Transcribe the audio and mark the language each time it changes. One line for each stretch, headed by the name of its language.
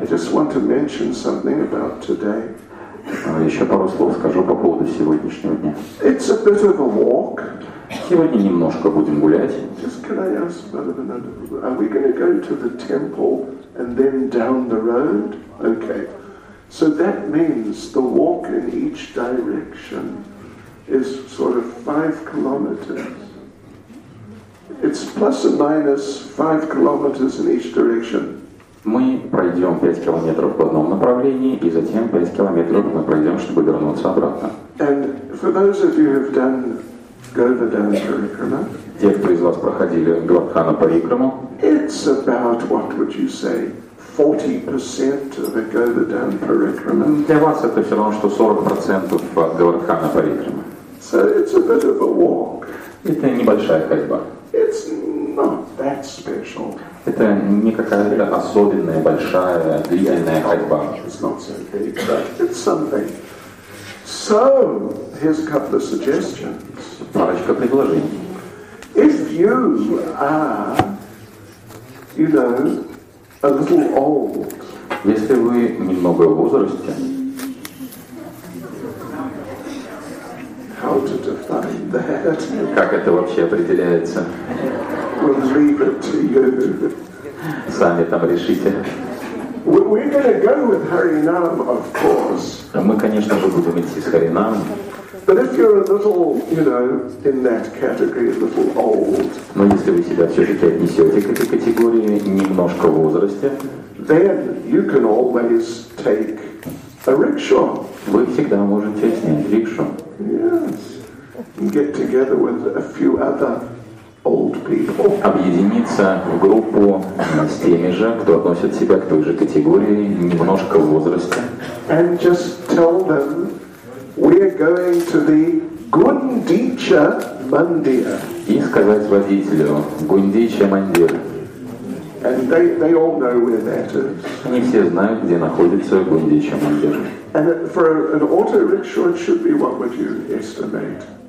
English: I just want to mention something about today.
Russian: Еще пару слов скажу по поводу сегодняшнего дня.
English: It's a bit of a walk.
Russian: Сегодня немножко будем гулять.
English: Just can I ask Madhav and Anand, are we going to go to the temple? And then down the road? Okay. So that means the walk in each direction is sort of 5 kilometers. It's plus or minus 5 kilometers in each direction.
Russian: Мы пройдем 5 километров в одном направлении, и затем 5 километров мы пройдем, чтобы вернуться обратно.
English: And for those of you who have done Govardhan Parikrama,
Russian: те, кто из вас проходили Говардхана Парикраму,
English: it's about, what would you say, 40% of a Govardhan Parikrama.
Russian: Для вас это все равно, что 40% Говардхана Парикрама.
English: So it's a bit of a walk.
Russian: Это небольшая ходьба.
English: It's not that special.
Russian: Это не какая-то особенная, большая, длительная ходьба.
English: It's not so big, but it's something. So, here's a couple of suggestions.
Russian: Парочка предложений.
English: If you are, you know, a little old.
Russian: Если вы немного в возрасте.
English: How to define that?
Russian: Как это вообще определяется?
English: We'll leave it to you.
Russian: Сами там решите.
English: We're going to go with Харинам, of course.
Russian: Мы, конечно же, будем идти с Харинамом.
English: But if you're a little, you know, in that category, a little old.
Russian: Но если вы себя все-таки отнесете к этой категории немножко в возрасте,
English: then you can always take a rickshaw.
Russian: Вы всегда можете снять рикшу.
English: Yes. And get together with a few other old people.
Russian: Объединиться в группу с теми же, кто относит себя к той же категории, немножко в возрасте.
English: And just tell them we're going to the Gundicha Mandir.
Russian: И сказать водителю Гундича Мандир.
English: And they all know where that is.
Russian: Они все знают, где находится Гундича Мандир.
English: And for an auto rickshaw, it should be, what would you estimate?